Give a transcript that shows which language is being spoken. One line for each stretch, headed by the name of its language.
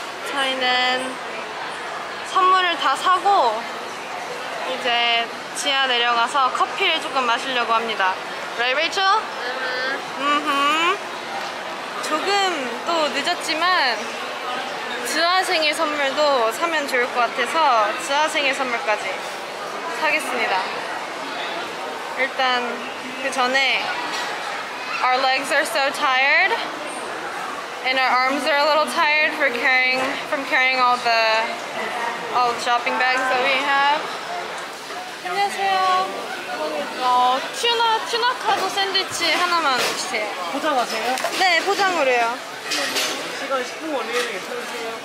Korean: 저희는 선물을 다 사고 이제 지하 내려가서 커피를 조금 마시려고 합니다.
English: Right, Rachel?
Korean: 조금 또 늦었지만 지하 생일 선물도 사면 좋을 것 같아서 지하 생일 선물까지 사겠습니다. 일단 그 전에
English: Our legs are so tired and our arms are a little tired for carrying, from carrying all the shopping bags that we have.
Korean: 안녕하세요. 튜나, 튜나 카도 샌드위치 하나만 주세요. 포장하세요? 네, 포장으로요. 시간 10분 원리에 있으세요?